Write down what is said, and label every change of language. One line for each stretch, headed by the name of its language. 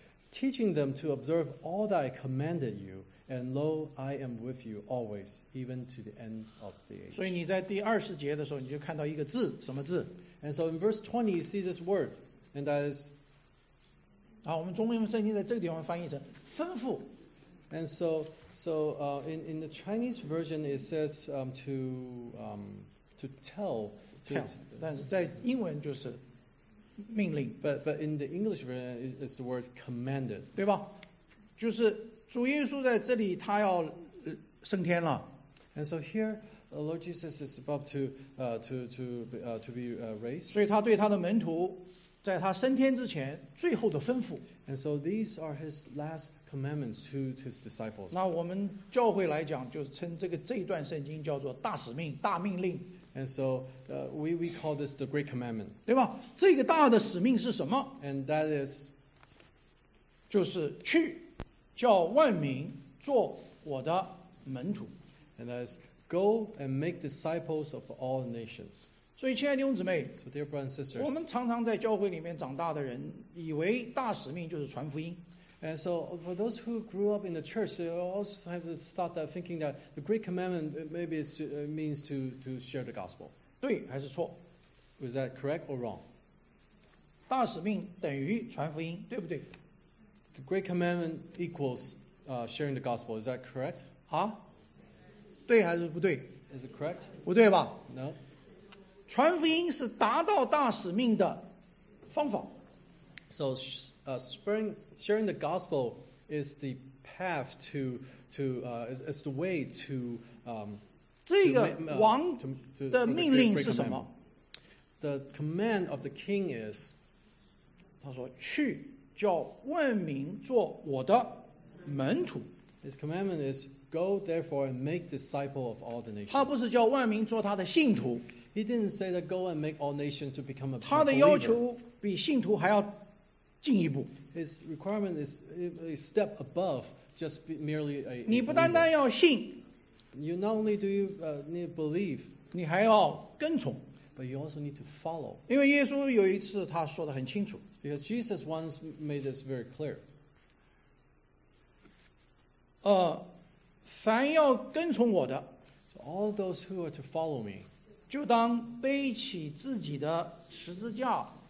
English: Teaching them to observe all that I commanded you, and lo, I am with you always, even to the end of the age.
Chinese: 所以你在第20节的时候你就看到一个字, 什么字?
English: And so in verse 20 you see this word, and that is
Chinese: 啊, 我们中文圣经在这个地方翻译成, 吩咐。
English: And so in the Chinese version it says to tell, tell.
Chinese: 但是在英文就是 命令,
English: but in the English version is the word commanded,
Chinese: 对吧? 就是主耶稣在这里, 他要升天了,
English: and so here the Lord Jesus is about to be raised.
Chinese: 所以他对他的门徒在他升天之前最后的吩咐,
English: And so these are his last commandments to his disciples.
Chinese: 那我们教会来讲，就称这一段圣经叫做大使命、大命令。
English: And so we call this the Great Commandment.
Chinese: 对吧？这个大的使命是什么
English: ？And that is,
Chinese: 就是去叫万民做我的门徒。
English: And that is go and make disciples of all nations.
Chinese: 所以，亲爱的弟兄姊妹
English: ，So dear brothers and sisters,
Chinese: 我们常常在教会里面长大的人，以为大使命就是传福音。
English: And so for those who grew up in the church, they also have this thought that thinking that the Great Commandment maybe is to, means to share the gospel.
Chinese: 对还是错
English: Was that correct or wrong?
Chinese: 大使命等于传福音对不对
English: The Great Commandment equals sharing the gospel. Is that correct?
Chinese: 啊对还是不对
English: Is it correct?
Chinese: 不对吧
English: No.
Chinese: 传福音是达到大使命的方法
English: So,sharing the gospel is the path to is the way to
Chinese: 这个王的命令是什么
English: The command of the king is
Chinese: 他说去叫万民做我的门徒
English: His commandment is go therefore and make disciple of all the nations
Chinese: 他不是叫万民做他的信徒
English: He didn't say that go and make all nations to become a believer
Chinese: 他的要求比信徒还要进一步
English: His requirement is a step above just merely a
Chinese: 你不单单要信
English: You not only do you need believe
Chinese: 你还要跟从
English: But you also need to follow
Chinese: 因为耶稣有一次他说得很清楚
English: Because Jesus once made this very clear
Chinese: 凡要跟从我的
English: So all those who are to follow me
Chinese: 就当背起自己的十字架